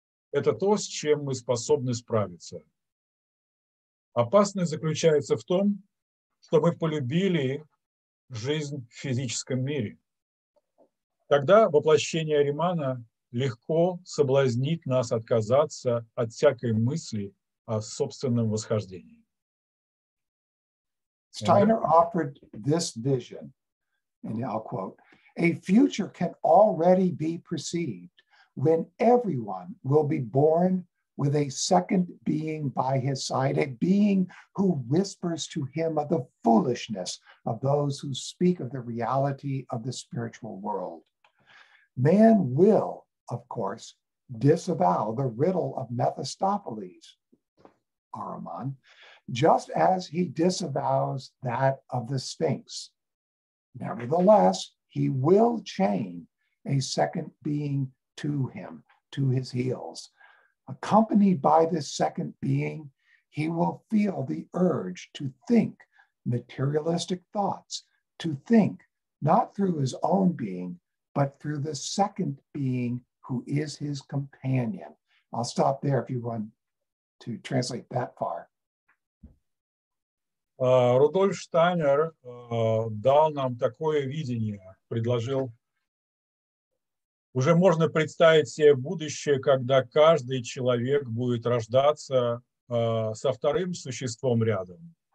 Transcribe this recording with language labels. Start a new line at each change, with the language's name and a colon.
Russian: Это то, с чем мы способны справиться. Опасность заключается в том, что мы полюбили жизнь в физическом мире. Тогда воплощение Аримана легко соблазнит нас отказаться от всякой мысли о собственном восхождении.
English: Штайнер offered this vision. And I'll quote, a future can already be perceived when everyone will be born with a second being by his side, a being who whispers to him of the foolishness of those who speak of the reality of the spiritual world. Man will, of course, disavow the riddle of Mephistopheles, Ahriman, just as he disavows that of the Sphinx. Nevertheless, he will chain a second being to him, to his heels. Accompanied by this second being, he will feel the urge to think materialistic thoughts, to think not through his own being, but through the second being who is his companion. I'll stop there if you want to translate that far.
Russian: Рудольф Штайнер дал нам такое видение, предложил. Уже можно представить себе будущее, когда каждый человек будет рождаться со вторым существом рядом.